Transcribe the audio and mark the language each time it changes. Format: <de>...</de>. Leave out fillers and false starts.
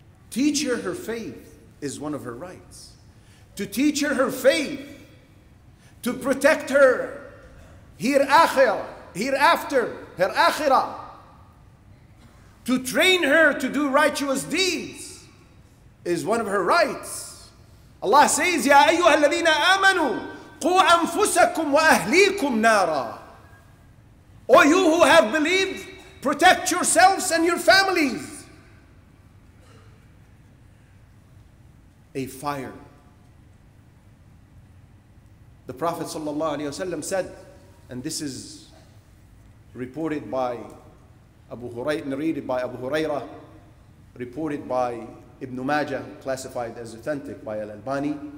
<en>Teach her her faith is one of her rights. To teach her faith, to protect her hereafter, her akhirah, to train her to do righteous deeds is one of her rights. Allah says,</en> <ar>يَا أَيُّهَا الَّذِينَ آمَنُوا قُوْ أَنفُسَكُمْ وَأَهْلِيكُمْ نَارًا.</ar> <en>O you who have believed, protect yourselves and your families. A fire The Prophet sallallahu alaihi wasallam said, and this is reported by Abu Hurairah, narrated by Abu Hurairah, reported by Ibn Majah, classified as authentic by Al-Albani.</en>